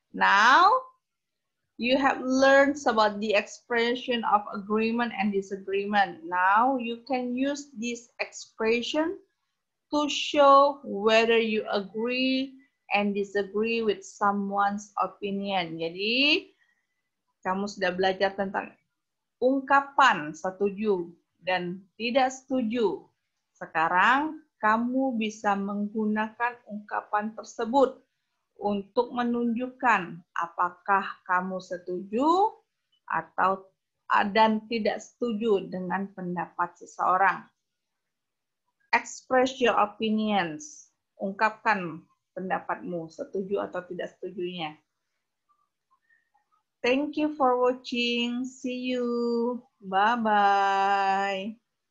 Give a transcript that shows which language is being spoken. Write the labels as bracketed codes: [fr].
[en] Now, you have learned about the expression of agreement and disagreement. Now, you can use this expression to show whether you agree and disagree with someone's opinion. [id] Jadi, kamu sudah belajar tentang ungkapan setuju dan tidak setuju. Sekarang kamu bisa menggunakan ungkapan tersebut untuk menunjukkan apakah kamu setuju atau dan tidak setuju dengan pendapat seseorang. [en] Express your opinions. [id] Ungkapkan pendapatmu, setuju atau tidak setujunya. [en] Thank you for watching. See you. Bye-bye.